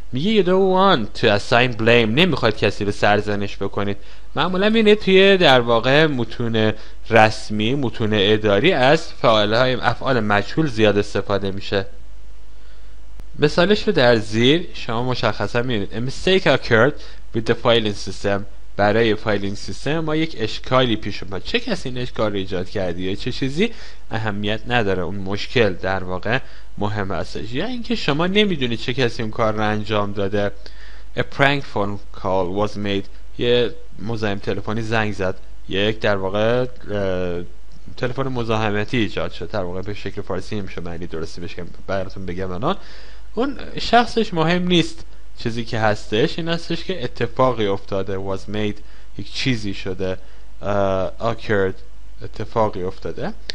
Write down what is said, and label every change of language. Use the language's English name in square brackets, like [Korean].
[Persian] میگه [English] you don't want to assign blame، [Persian] نمیخواید کسی رو سرزنش بکنید. معمولا اینه توی در واقع متون رسمی، متون اداری از فاعل‌های افعال مجهول زیاد استفاده میشه. مثالش رو در زیر شما مشخصا میبینید. [English] A mistake occurred with the filing system. [Persian] برای فایلینگ سیستم ما یک اشکالی پیش اومد. چه کسی این اشکال رو ایجاد کرده یا چه چیزی، اهمیت نداره، اون مشکل در واقع مهم هستش. یا اینکه شما نمیدونید چه کسی اون کار رو انجام داده. [English] A prank phone call was made. [Persian] یه مزاحم تلفنی زنگ زد، یک در واقع تلفن مزاحمتی ایجاد شد. در واقع به شکل فارسی میشه معنی درستی بشه براتون بگم الان. اون شخصش مهم نیست، چیزی که هستش این هستش که اتفاقی افتاده. [English] was made [Persian] یک چیزی شده. [English] occurred [Persian] اتفاقی افتاده.